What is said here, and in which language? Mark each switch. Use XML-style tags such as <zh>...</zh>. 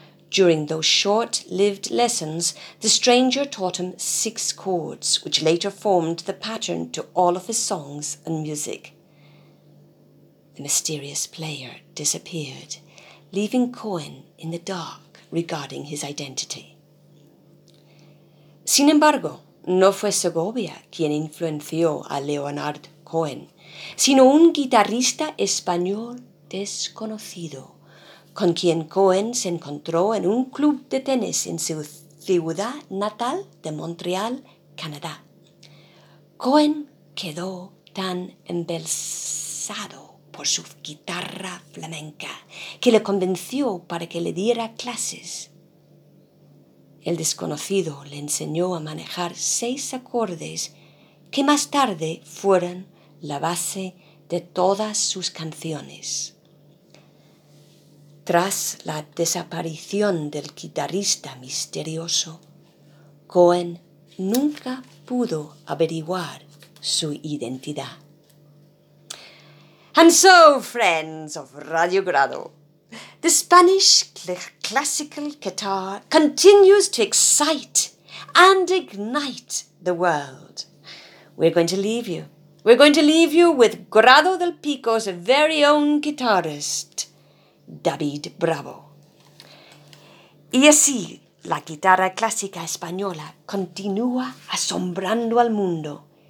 <en>During those short-lived lessons, the stranger taught him six chords, which later formed the pattern to all of his songs and music. The mysterious player disappeared, leaving Cohen in the dark regarding his identity.</en> <es>Sin embargo, no fue Segovia quien influenció a Leonard Cohen, sino un guitarrista español desconocido, con quien Cohen se encontró en un club de tenis en su ciudad natal de Montreal, Canadá. Cohen quedó tan embelesado por su guitarra flamenca, que le convenció para que le diera clases. El desconocido le enseñó a manejar seis acordes que más tarde fueron la base de todas sus canciones. Tras la desaparición del guitarrista misterioso, Cohen nunca pudo averiguar su identidad.</es> <en>And so, friends of Radio Grado, the Spanish classical guitar continues to excite and ignite the world. We're going to leave you. We're going to leave you with Grado del Pico's very own guitarist, David Bravo.</en> <es>Y así, la guitarra clásica española continúa asombrando al mundo.</es>